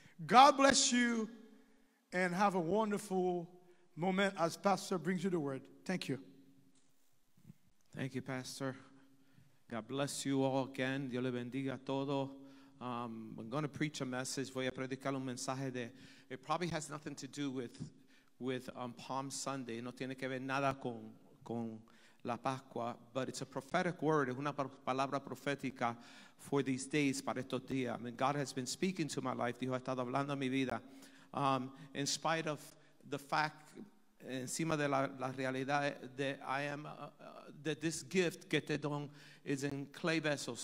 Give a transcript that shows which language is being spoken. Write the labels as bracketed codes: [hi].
[en] God bless you, and have a wonderful moment as Pastor brings you the word. Thank you. Thank you, Pastor. God bless you all again. [es] Dios le bendiga todo. [en] I'm going to preach a message. [es] Voy a predicar un mensaje de. [en] It probably has nothing to do with Palm Sunday. [es] No tiene que ver nada con la Pascua. [en] But it's a prophetic word. [es] Es una palabra profética [en] for these days, [es] para estos días. [en] I mean, God has been speaking to my life. [es] Dios ha estado hablando a mi vida. [en] In spite of the fact, [es] encima de la realidad, [en] that I am, that this gift que te don is in clay vessels.